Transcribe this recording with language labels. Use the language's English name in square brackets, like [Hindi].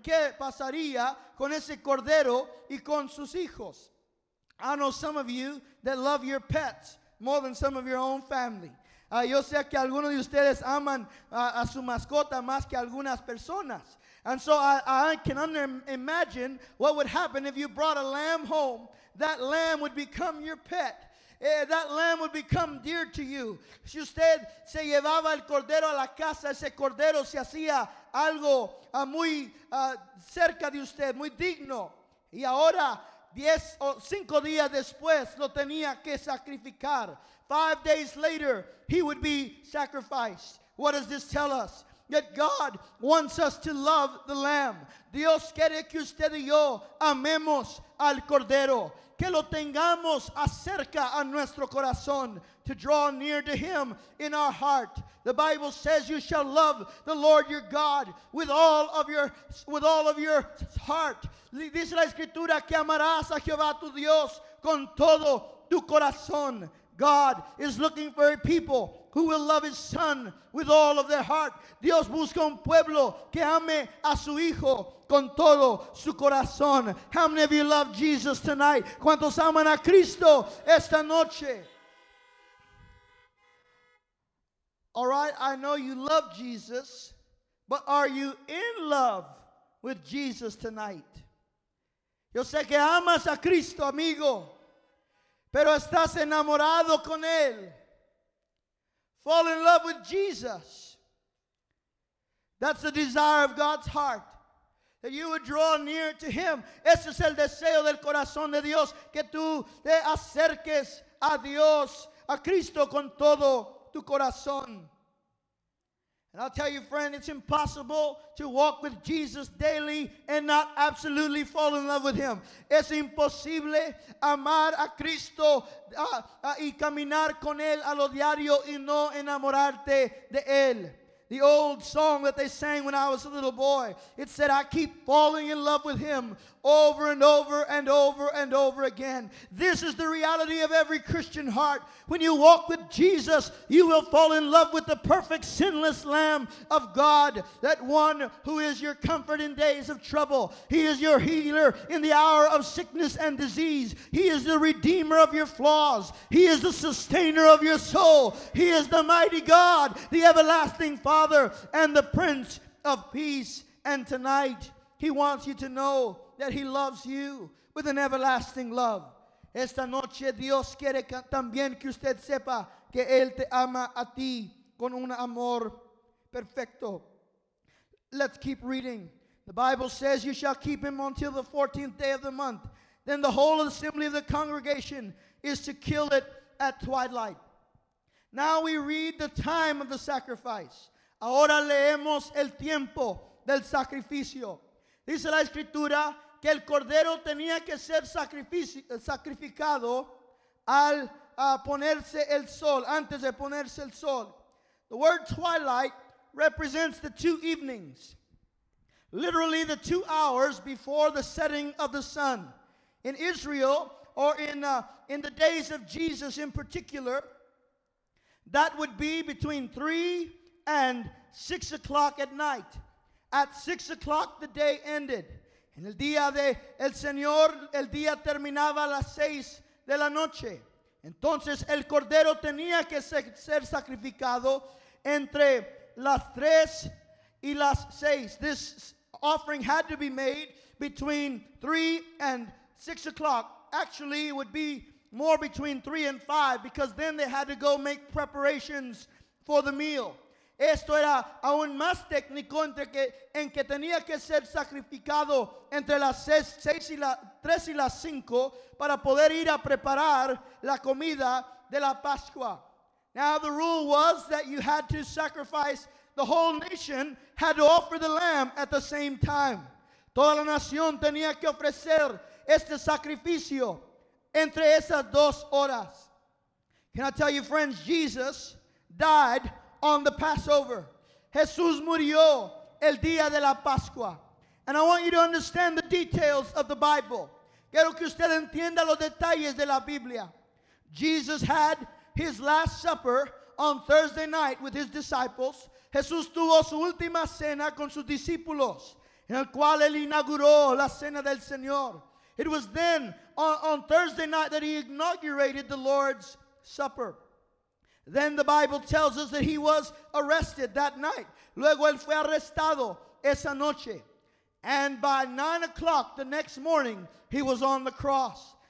[Spanish] ¿Qué pasaría con ese cordero y con sus hijos? [English] I know some of you that love your pets more than some of your own family. [Spanish] Yo sé que algunos de ustedes aman a su mascota más que algunas personas. [English] And so I can imagine what would happen if you brought a lamb home. That lamb would become your pet. That lamb would become dear to you. [Spanish] Si usted se llevaba el cordero a la casa, ese cordero se hacía algo muy cerca de usted, muy digno. Y ahora, 5 días después, lo tenía que sacrificar. [English] 5 days later, he would be sacrificed. What does this tell us? Yet God wants us to love the lamb. [Spanish] Dios quiere que usted y yo amemos al cordero. Que lo tengamos acerca a nuestro corazón. [English] To draw near to him in our heart. The Bible says you shall love the Lord your God with all of your heart. [Spanish] Dice la Escritura que amarás a Jehová tu Dios con todo tu corazón. [English] God is looking for a people who will love his son with all of their heart. [Spanish] Dios busca un pueblo que ame a su hijo con todo su corazón. [English] How many of you love Jesus tonight? [Spanish] ¿Cuántos aman a Cristo esta noche? [English] All right, I know you love Jesus, but are you in love with Jesus tonight? [Spanish] Yo sé que amas a Cristo, amigo, pero estás enamorado con él. [English] Fall in love with Jesus. That's the desire of God's heart. That you would draw near to him. [Spanish] Ese es el deseo del corazón de Dios. Que tú te acerques a Dios, a Cristo con todo tu corazón. [English] And I'll tell you, friend, it's impossible to walk with Jesus daily and not absolutely fall in love with him. [Spanish] Es imposible amar a Cristo y caminar con él a lo diario y no enamorarte de él. [English] The old song that they sang when I was a little boy, it said, I keep falling in love with him over and over and over and over again. This is the reality of every Christian heart. When you walk with Jesus, you will fall in love with the perfect, sinless Lamb of God, that one who is your comfort in days of trouble. He is your healer in the hour of sickness and disease. He is the redeemer of your flaws. He is the sustainer of your soul. He is the mighty God, the everlasting Father, and the Prince of Peace. And tonight, he wants you to know that he loves you with an everlasting love. [Spanish] Esta noche Dios quiere también que usted sepa que él te ama a ti con un amor perfecto. [English] Let's keep reading. The Bible says you shall keep him until the 14th day of the month. Then the whole assembly of the congregation is to kill it at twilight. Now we read the time of the sacrifice. [Spanish] Ahora leemos el tiempo del sacrificio. Dice la Escritura que el cordero tenía que ser sacrificado al ponerse el sol, antes de ponerse el sol. [English] The word twilight represents the two evenings, literally the 2 hours before the setting of the sun. In Israel, or in the days of Jesus in particular, that would be between 3 and 6 o'clock at night. At 6 o'clock, the day ended. [Spanish] En el día de el Señor, el día terminaba a las 6 de la noche. Entonces, el cordero tenía que ser sacrificado entre las 3 y las 6. [English] This offering had to be made between 3 and 6 o'clock. Actually, it would be more between 3 and 5, because then they had to go make preparations for the meal. [Spanish] Esto era aún más técnico en que tenía que ser sacrificado entre las 3 y las 5 para poder ir a preparar la comida de la Pascua. [English] Now the rule was that you had to sacrifice, the whole nation had to offer the lamb at the same time. [Spanish] Toda la nación tenía que ofrecer este sacrificio entre esas 2 horas. [English] Can I tell you, friends, Jesus died on the Passover. [Spanish] Jesús murió el día de la Pascua. [English] And I want you to understand the details of the Bible. [Spanish] Quiero que usted entienda los detalles de la Biblia. [English] Jesus had his last supper on Thursday night with his disciples. [Spanish] Jesús tuvo su última cena con sus discípulos, en el cual él inauguró la cena del Señor. [English] It was then on Thursday night that he inaugurated the Lord's Supper. Then the Bible tells us that he was arrested that night. [Spanish] Luego él fue arrestado esa noche. [English] And by 9 o'clock the next morning, he was on the cross.